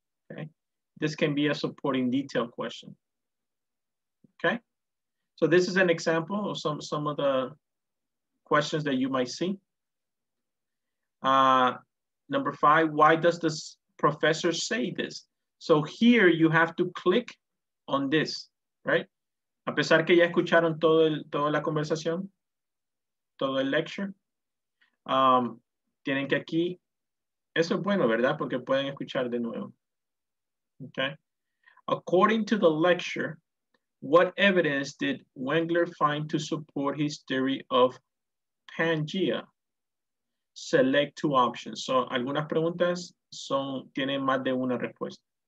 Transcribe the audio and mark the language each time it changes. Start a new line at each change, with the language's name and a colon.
English: Okay, this can be a supporting detail question. Okay, so this is an example of some of the questions that you might see. Number five, why does this professor say this? So here you have to click on this, right?
Spanish: A pesar que ya escucharon toda la conversación, todo el lecture, tienen que aquí, eso es bueno, ¿verdad? Porque pueden escuchar de nuevo. Okay.
English: According to the lecture, what evidence did Wengler find to support his theory of Pangea? Select two options.
Spanish: So, algunas preguntas son, tienen más de una respuesta.